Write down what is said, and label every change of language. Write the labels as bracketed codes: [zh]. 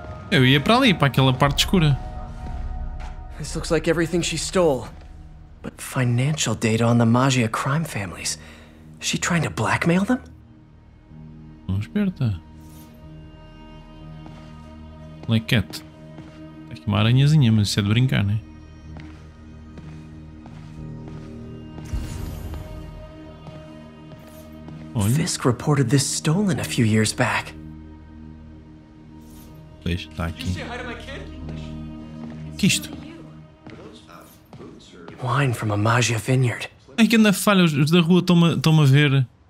[pt] Eu ia para ali, para aquela parte escura. [en] This looks like everything she stole. But financial data on the Magia crime families. Is she trying to blackmail them? [pt] Não esperta. [en] Black Cat. [pt] Aqui uma aranhazinha, mas isso é de brincar, né? Olha. [en] Fisk reported this stolen a few years back. [pt] Pois, tá aqui. Que isto? [en] Wine from a Magia vineyard. [pt] Ai, que anda falha, os da rua estão-me a ver.